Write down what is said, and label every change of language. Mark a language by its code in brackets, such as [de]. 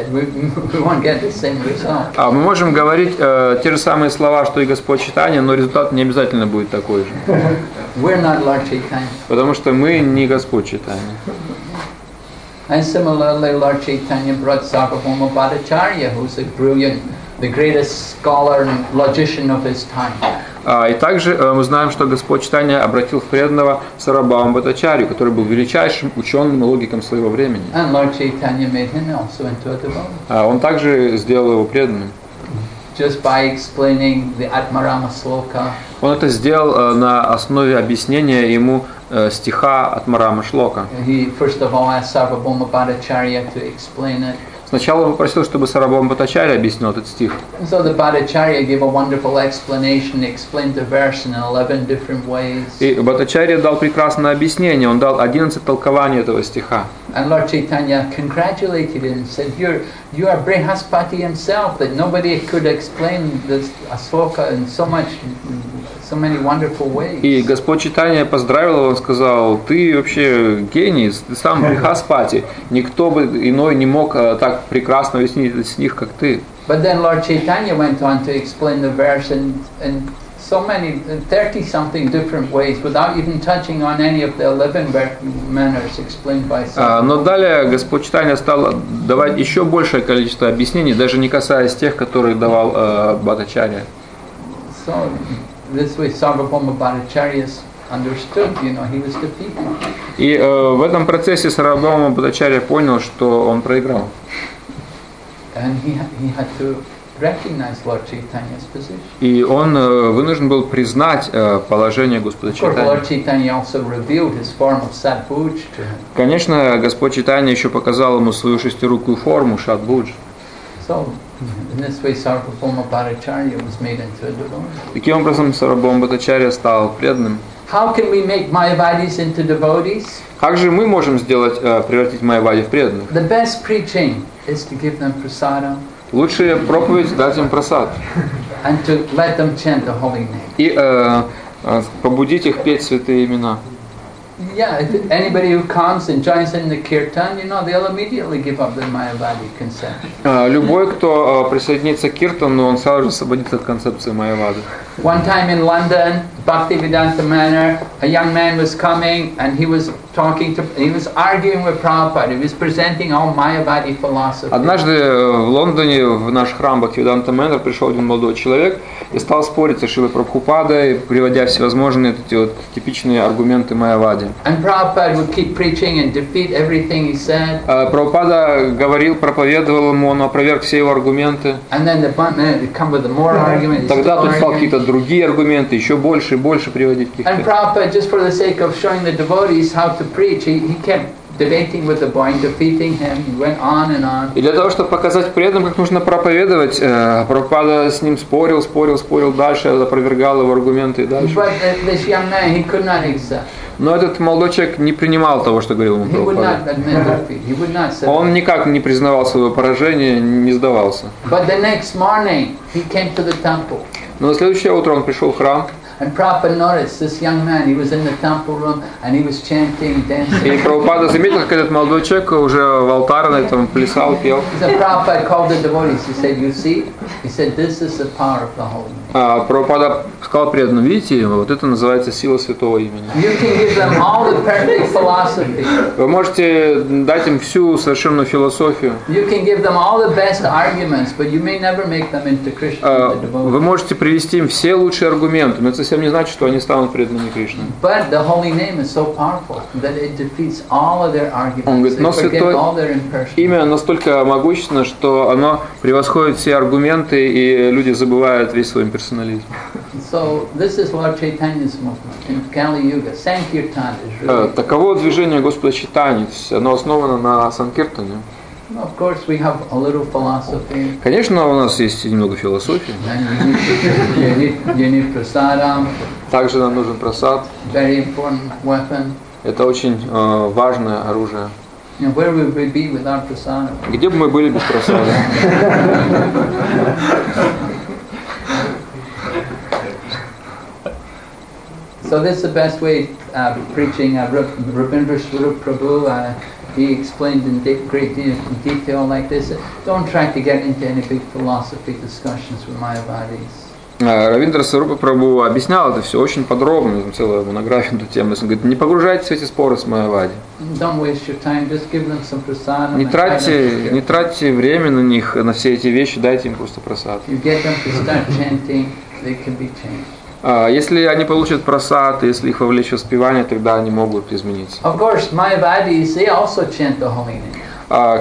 [ru] Мы можем говорить те же самые слова, что и Господь Чайтанья, но результат не обязательно будет такой же. [en] We're not Lord Chaitanya. [ru] Потому что мы не Господь Чайтанья. [en] And similarly, Lord Chaitanya brought Sarvabhauma Bhattacharya, who's a brilliant, the greatest scholar and logician of his time. [ru] И также мы знаем, что Господь Чайтанья обратил в преданного Сарвабхаума Бхаттачарью, который был величайшим ученым и логиком своего времени. [en] And Lord Chaitanya made him also into a devotee. [ru] Он также сделал его преданным. [en] Just by explaining the Atmarama Sloka. [ru] Он это сделал на основе объяснения ему стиха Атмарама Шлока. [en] He first of all asked Sarvabhauma Bhattacharya to explain it. [ru] Сначала он попросил, чтобы Сарвабхаума Бхаттачарья объяснил этот стих. [en] So the Bhattacharya gave a wonderful explanation, explained the verse in 11 different ways. [ru] И Бхаттачарья дал прекрасное объяснение. Он дал 11 толкований этого стиха. [en] And Lord Chaitanya congratulated him and said, you are Brihaspati himself, that nobody could explain this asloka in so many wonderful ways. [ru] И Господь Читания поздравил его и сказал: "Ты вообще гений, ты сам Брихаспати. Никто бы иной не мог так прекрасно объяснить с них, как ты." [en] But then Lord Chaitanya went on to explain the verse and so many 30 something different ways without even touching on any of the 11 manners explained by some. [ru] Но далее Господь Читания стал давать ещё большее количество объяснений, даже не касаясь тех, которые давал Бхатачарья. [en] So this way Sarvabhauma Bhattacharya understood, you know, he was defeated. [ru] И в этом процессе Сарвабхаума Бхаттачарья понял, что он проиграл. [en] And he had to recognize Lord Chaitanya's position. [ru] И он вынужден был признать положение Господа Чайтаньи. [en] Lord Chaitanya also revealed his form of Sadbhuj to him. [ru] Конечно, Господь Чайтанья ещё показал ему свою шестирукую форму Шадбуд. [en] So in this way Sarvabhauma Bhattacharya was made into a devotee. [ru] Таким образом Сарвабхаума Бхаттачарья стал преданным. [en] How can we make Mayavadis into devotees? [ru] Как же мы можем сделать превратить Майявади в преданных? [en] The best preaching is to give them prasadam. [ru] Лучшая проповедь дать им просад. [en] And to let them chant the holy name. [ru] И побудить их петь святые имена. [en] Yeah, if anybody who comes and joins in the kirtan, you know, they'll immediately give up their Mayavadi concept. [ru] Любой, кто присоединится к киртану, он сразу же освободится от концепции Майявады. [en] One time in London, Bhaktivedanta Manor, a young man was coming and he was arguing with Prabhupada. He was presenting all Mayavadi philosophy. [ru] Однажды в Лондоне в наш храм Bhaktivedanta Manor пришёл один молодой человек и стал спорить с Шрилой Прабхупадой, приводя всевозможные эти вот типичные аргументы Майявади. [en] And Prabhupada would keep preaching and defeat everything he said. [ru] Прабхупада говорил, проповедовал ему, он опроверг все его аргументы. [en] And then the man would come with more arguments. [ru] Тогда тут стал какие-то другие аргументы, ещё больше и больше приводить какие-то. [en] And Prabhupada, just for the sake of showing the devotees how to preach, he kept debating with the boy and defeating him. He went on and on. [ru] И для того, чтобы показать преданным, как нужно проповедовать, Прабхупада с ним спорил дальше, опровергал его аргументы и дальше. [en] But this young man, he could not accept. [ru] Но этот молодой человек не принимал того, что говорил ему Прабхупада. Он никак не признавал своего поражения, не сдавался. [en] But the next morning he came to the temple. [ru] Но на следующее утро он пришел в храм. [en] And Prabhupada noticed this young man. He was in the temple room and he was chanting, dancing. [ru] И Прабхупада заметил, как этот молодой человек уже в алтарной там плясал, пел. [en] So Prabhupada called the devotees. He said, "You see?" He said, "This is the power of the holy name." [ru] Прабхупада сказал преданным: "Видите, вот это называется сила святого имени." [en] You can give them all the perfect philosophy. [ru] Вы можете дать им всю совершенную философию. [en] You can give them all the best arguments, but you may never make them into Krishna, into devotees. [ru] Вы можете привести им все лучшие аргументы, но это совсем не значит, что они станут преданными Кришне. [en] But the holy name is so powerful that it defeats all of their arguments. [ru] Он говорит, но святое имя настолько могущественно, что оно превосходит все аргументы, и люди забывают весь свой персонализм. [en] So this is Lord Chaitanya's movement in Kali Yuga. Sankirtan is really. [ru] Таково движение Господа Чайтаньи. Оно основано на санкиртане. [en] Of course, we have a little philosophy. [ru] Конечно, у нас есть немного философии. [en] You need prasadam. [ru] Также нам нужен просад. [en] Very important weapon. [ru] Это очень важное оружие. [en] And where would we be without prasadam? [ru] Где бы мы были без просада? [en] So this is the best way of preaching Rabindra Swarup Prabhu. He explained in great detail like this. Don't try to get into any big philosophy discussions with Mayavadis. [ru] Равиндра Сарупа Прабху объяснял это все очень подробно, целую монографию на эту тему. Он говорит, не погружайтесь в эти споры с Майявади. Не тратьте время на них, на все эти вещи, дайте им просто просад. Если они получат просад, если их вовлечь в воспевание, тогда они могут измениться. [en] Of course, Mayavadis, they also chant the holy name.